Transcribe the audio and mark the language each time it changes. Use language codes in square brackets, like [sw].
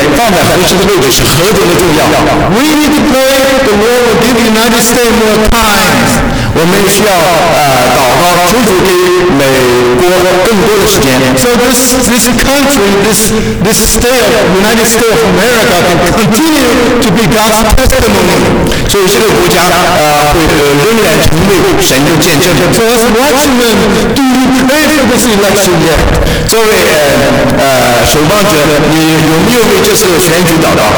[zh] 能够把敬畏神的人放在合适的位置是何等的重要。 [en] We need to pray the Lord will give the United States more time. [zh] 我们需要祷告，求主给美国更多的时间。 [en] So this country, this state of United States of America can continue to be God's testimony. [zh] 所以这个国家仍然成为神的见证。 [en] For us watchmen, do we pray for this election yet? [zh] 作为守望者，你有没有为这次选举祷告？